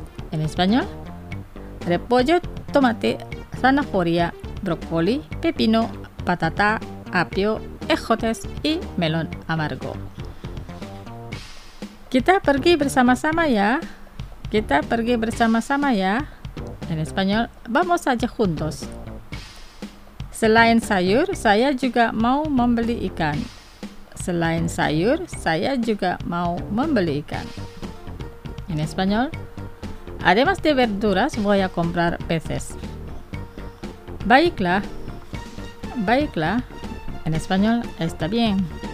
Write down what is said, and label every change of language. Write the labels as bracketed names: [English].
[Spanish] En español, repollo, tomate, zanahoria, brokoli, pepino, patata, apio, ejotes, y melón amargo. [Indonesian] Kita pergi bersama-sama ya. Kita pergi bersama-sama ya. [Spanish] En español, vamos allá juntos. [Indonesian] Selain sayur, saya juga mau membeli ikan. Selain sayur, saya juga mau membeli ikan. [Spanish] En español, además de verduras, voy a comprar peces. [Indonesian] Baiklah. Baiklah. [Spanish] En español, está bien.